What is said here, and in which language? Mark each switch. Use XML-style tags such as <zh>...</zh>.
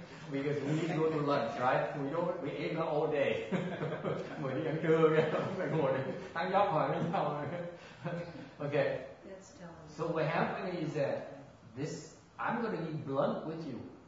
<en>Because we need to go to lunch, right? We ate not all day.</en> <vi>Mới đi ăn trưa kìa, không phải ngồi đây ăn nhóc hỏi với nhau.</vi> <en>Okay. So what happened is that this, I'm going to be blunt with you.</en>